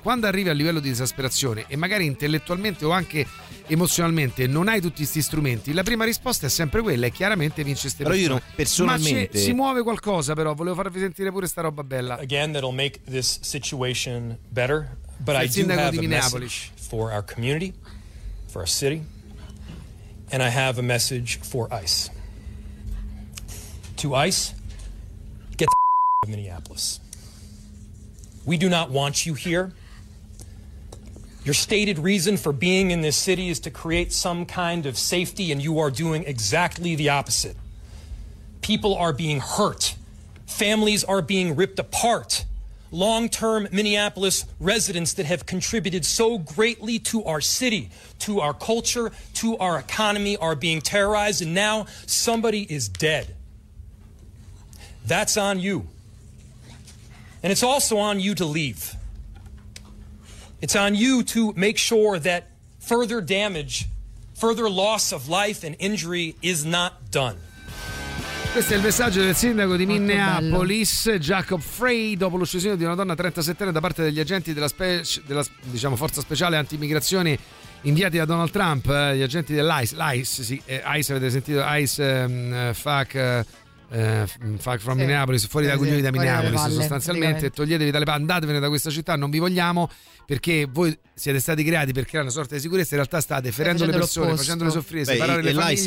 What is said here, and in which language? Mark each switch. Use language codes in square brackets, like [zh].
[it] Quando arrivi a livello di esasperazione e magari intellettualmente o anche emozionalmente non hai tutti questi strumenti, la prima risposta è sempre quella, e chiaramente vince queste persone. Però io personalmente, ma si muove qualcosa, però volevo farvi sentire pure sta roba bella. [en] Again, that'll make this situation better, but I do have a message for our community, for our city, and I have a message for ICE. To ICE, get the out of Minneapolis. We do not want you here. Your stated reason for being in this city is to create some kind of safety, and you are doing exactly the opposite. People are being hurt. Families are being ripped apart. Long-term Minneapolis residents that have contributed so greatly to our city, to our culture, to our economy are being terrorized, and now somebody is dead. That's on you. And it's also on you to leave. It's on you to make sure that further damage, further loss of life and injury is not done. [it] Questo è il messaggio del sindaco di Minneapolis, Jacob Frey, dopo l'uccisione di una donna 37enne da parte degli agenti della diciamo, forza speciale anti-immigrazione inviati da Donald Trump, gli agenti dell'ICE. ICE, avete sentito? [en] From Minneapolis, [it] fuori dai coglioni da Minneapolis, valle, sostanzialmente toglietevi dalle palle, andatevene da questa città, non vi vogliamo, perché voi siete stati creati per creare una sorta di sicurezza, in realtà state ferendo le persone, l'opposto, facendole soffrire, separare le famiglie.